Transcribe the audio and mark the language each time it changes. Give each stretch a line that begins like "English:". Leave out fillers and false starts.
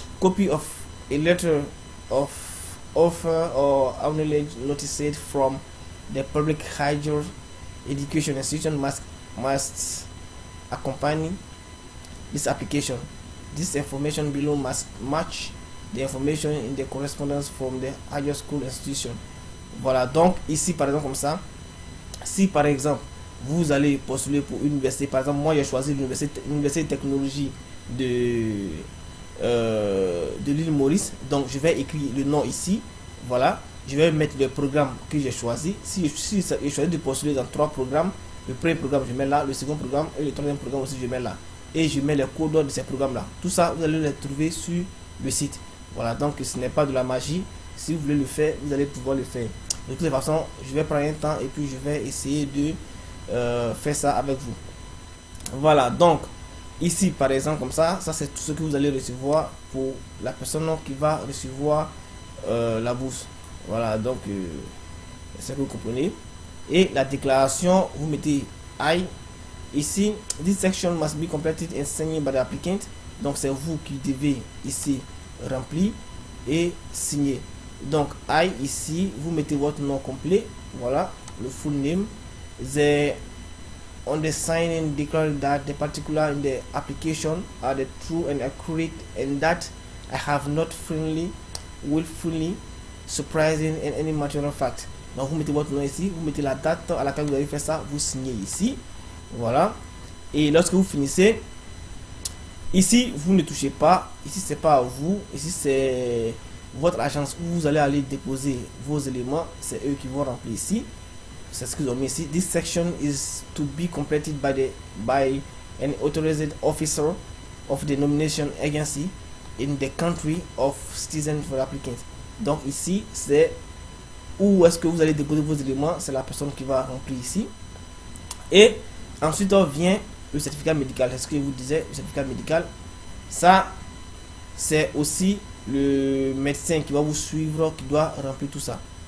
English: Copy of a letter of offer or acknowledgement notice from the Public Higher Education Institution must accompany this application. This information below must match the information in the correspondence from the higher school institution.
French: Voilà, donc ici par exemple comme ça, si par exemple vous allez postuler pour une université, par exemple moi j'ai choisi l'université de technologie de l'île Maurice, donc je vais écrire le nom ici. Voilà, je vais mettre le programme que j'ai choisi. Si j'ai choisi de postuler dans trois programmes, le premier programme je mets là, le second programme et le troisième programme aussi je mets là. Et je mets les coordonnées de ces programmes-là. Tout ça, vous allez les trouver sur le site. Voilà, donc ce n'est pas de la magie. Si vous voulez le faire, vous allez pouvoir le faire. De toute façon, je vais prendre un temps et puis je vais essayer de faire ça avec vous. Voilà, donc ici, par exemple, comme ça c'est tout ce que vous allez recevoir pour la personne qui va recevoir la bourse. Voilà, donc c'est que vous comprenez. Et la déclaration, vous mettez I. Ici,
English: this section must be completed and signed by the applicant.
French: Donc, c'est vous qui devez ici remplir et signer. Donc, I ici, vous mettez votre nom complet. Voilà, le
English: full name. The undersigned declare that the particular in the application are the true and accurate and that I have not friendly, willfully, surprising in any material fact.
French: Donc, vous mettez votre nom ici, vous mettez la date à laquelle vous avez fait ça, vous signez ici. Voilà, et lorsque vous finissez ici, vous ne touchez pas. Ici, c'est pas à vous. Ici, c'est votre agence où vous allez aller déposer vos éléments. C'est eux qui vont remplir ici. C'est ce qu'ils ont mis ici.
English: This section is to be completed by an authorized officer of the nomination agency in the country of citizen for applicant.
French: Donc, ici, c'est où est-ce que vous allez déposer vos éléments. C'est la personne qui va remplir ici. Et ensuite, on vient le certificat médical. C'est ce que je vous disais, le certificat médical. Ça, c'est aussi le médecin qui va vous suivre, qui doit remplir tout ça.